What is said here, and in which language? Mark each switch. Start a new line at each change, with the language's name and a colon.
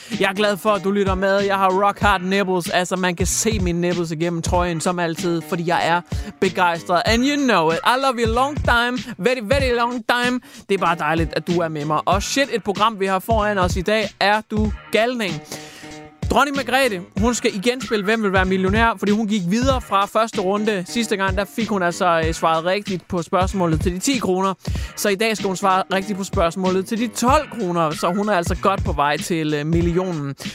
Danish: Jeg er glad for, at du lytter med. Jeg har
English: rock hard nipples,
Danish: altså man kan se mine nipples igennem trøjen som altid, fordi jeg er begejstret.
English: And you know it, I love you long time, very, very long time.
Danish: Det er bare dejligt, at du er med mig. Og shit, et program vi har foran os i dag, er du galning. Dronning Margrethe, hun skal igen spille Hvem vil være millionær, fordi hun gik videre fra første runde. Sidste gang, der fik hun altså svaret rigtigt på spørgsmålet til de 10 kroner. Så i dag skal hun svare rigtigt på spørgsmålet til de 12 kroner, så hun er altså godt på vej til millionen.